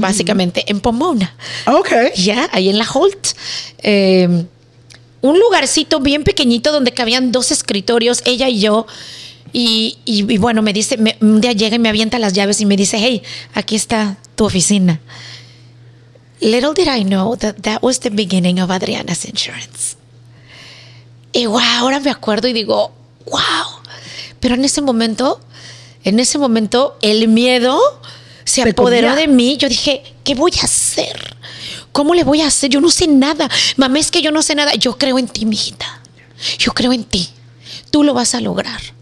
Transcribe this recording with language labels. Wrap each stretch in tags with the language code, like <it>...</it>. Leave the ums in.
<es>básicamente, en Pomona. Ok. Ya, yeah, ahí en la Holt. Eh, un lugarcito bien pequeñito donde cabían dos escritorios, ella y yo. Y, y, y bueno, me dice, me, un día llega y me avienta las llaves y me dice, hey, aquí está tu oficina.</es> <en>Little did I know that that was the beginning of Adriana's Insurance.</en> <es>Y wow, ahora me acuerdo y digo, wow. Pero en ese momento, en ese momento, el miedo se apoderó de mí. Yo dije, ¿qué voy a hacer? ¿cómo le voy a hacer? Yo no sé nada. Mamá, es que yo no sé nada. Yo creo en ti, mijita. Mi yo creo en ti. Tú lo vas a lograr.</es>